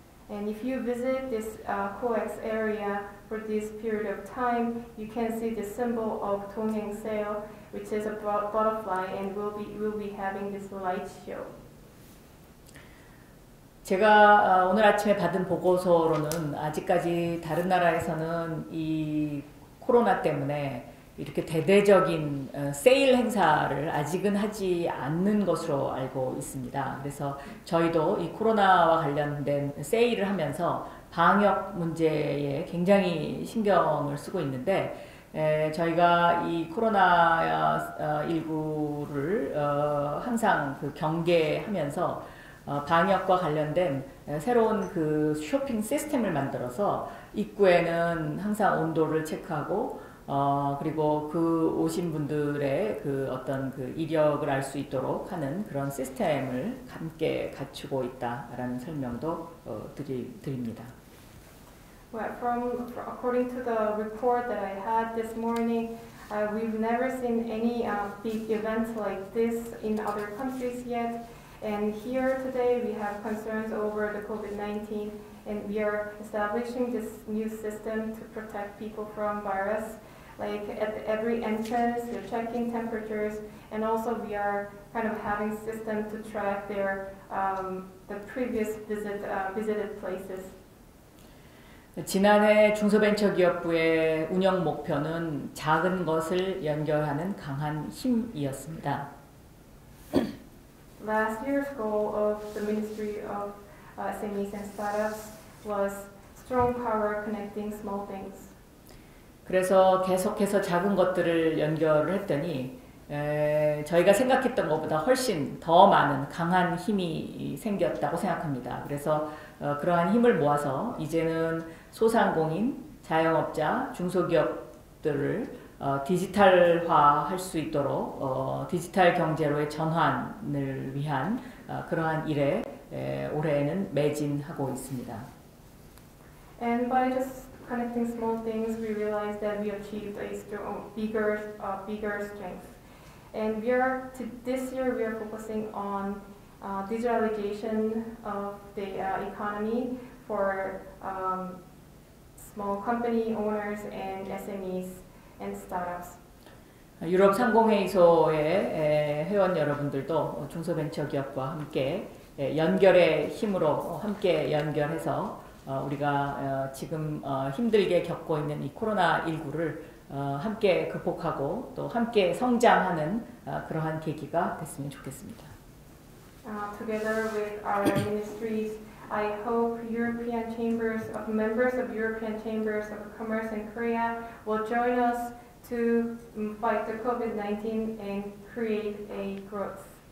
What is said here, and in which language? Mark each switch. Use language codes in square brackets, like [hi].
[en] And if you visit this COEX area for this period of time, you can see the symbol of Dongheng Sail, which is a butterfly, and we'll be having this light show. [ko] 제가 오늘 아침에 받은 보고서로는 아직까지 다른 나라에서는 이 코로나 때문에 이렇게 대대적인 세일 행사를 아직은 하지 않는 것으로 알고 있습니다. 그래서 저희도 이 코로나와 관련된 세일을 하면서 방역 문제에 굉장히 신경을 쓰고 있는데 저희가 이 코로나19를 항상 그 경계하면서 방역과 관련된 새로운 그 쇼핑 시스템을 만들어서 입구에는 항상 온도를 체크하고 그리고 그 오신 분들의 그 어떤 그 이력을 알 수 있도록 하는 그런 시스템을 함께 갖추고 있다라는 설명도 드립니다. [en] Well, according to the report that I had this morning, we've never seen any big events like this in other countries yet. And here today, we have concerns over the COVID-19, and we are establishing this new system to protect people from virus. Like at every entrance, we're checking temperatures, and also we are kind of having system to track their the previous visited places. [ko] 지난해 중소벤처기업부의 운영 목표는 작은 것을 연결하는 강한 힘이었습니다. [en] Last year's goal of the Ministry of SMEs and Startups was strong power connecting small things. [ko] 그래서 계속해서 작은 것들을 연결을 했더니 저희가 생각했던 것보다 훨씬 더 많은 강한 힘이 생겼다고 생각합니다. 그래서 그러한 힘을 모아서 이제는 소상공인, 자영업자, 중소기업들을 디지털화할 수 있도록 디지털 경제로의 전환을 위한 그러한 일에 올해에는 매진하고 있습니다. [en] And by just connecting small things, we realized that we achieved a bigger strength. And this year we are focusing on digitalization of the economy for small company owners and SMEs. And startups. [ko] 유럽 상공회의소의 회원 여러분들도 중소벤처기업과 함께 연결의 힘으로 함께 연결해서 우리가 지금 힘들게 겪고 있는 이 코로나19를 함께 극복하고 또 함께 성장하는 그러한 계기가 됐으면 좋겠습니다. [en] Together with our ministries, I hope European Chambers of Members of European Chambers of Commerce in Korea will join us to fight the COVID-19 and create a growth.